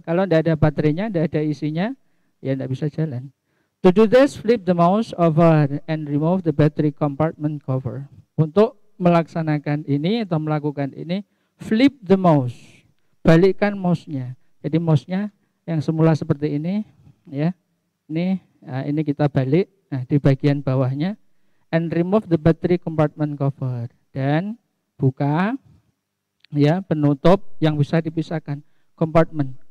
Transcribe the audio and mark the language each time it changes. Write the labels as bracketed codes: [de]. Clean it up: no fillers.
[id] Kalau tidak ada baterainya, tidak ada isinya, ya tidak bisa jalan. [en] To do this, flip the mouse over and remove the battery compartment cover. [id] Untuk melaksanakan ini atau melakukan ini, [en] flip the mouse, [id] balikkan mouse-nya. Jadi mouse-nya yang semula seperti ini, ya, ini kita balik, nah, di bagian bawahnya, [en] and remove the battery compartment cover [id] dan buka, ya, penutup yang bisa dipisahkan, compartment.